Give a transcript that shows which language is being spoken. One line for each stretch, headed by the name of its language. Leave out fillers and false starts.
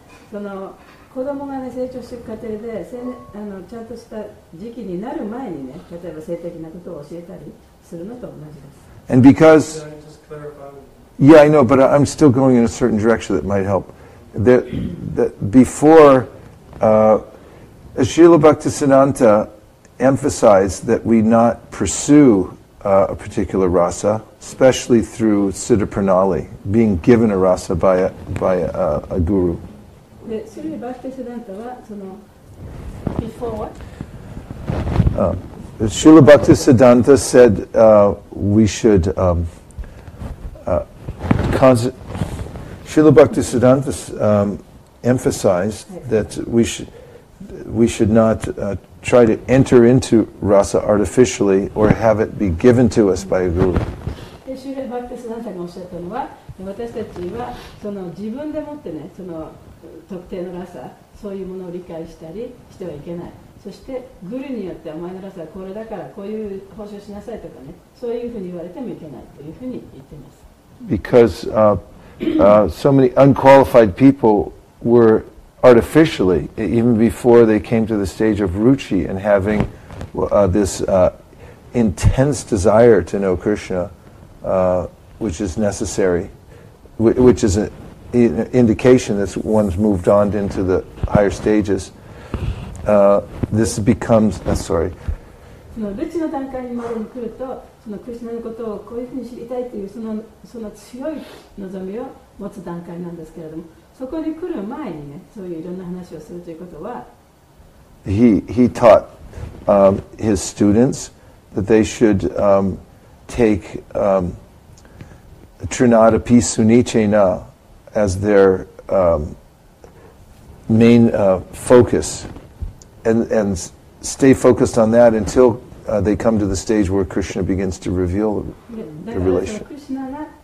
Japanese: その 子供がね、成長していく過程で、あの、ちゃんとした時期になる前にね、例えば性的なことを教えたりするのと同じです。And
English: because, yeah, I know, but I'm still going in a certain direction that might help. That before, Srila Bhaktisiddhanta emphasized that we not pursue a particular rasa, especially through siddha pranali, being given a rasa by a guru. Srila Bhaktisiddhanta said we should Srila Bhaktisiddhanta emphasized that we should not try to enter into rasa artificially or have it be given to us by a guru. Srila Bhaktisiddhanta
Japanese: 私たちはその自分でもってね、その特定のラサ、そういうものを理解したりしてはいけない。そしてグルによってお前のラサはこれだからこういう報酬しなさいとかね、そういうふうに言われてもいけないというふうに言っています。
English: Because so many unqualified people were artificially, even before they came to the stage of ruchi and having this intense desire to know Krishna, which is necessary, which is an indication that one's moved on into the higher stages. This becomes, sorry.
Japanese: そのルチの段階にまで来ると、そのクリスナのことをこういうふうに知りたいというその強い望みを持つ段階なんですけれども、そこに来る前にね、そういういろんな話をするということは、
English: He taught his students that they should take Trinadapi Sunichena as their main focus and stay focused on that until they come to the stage where Krishna begins to reveal the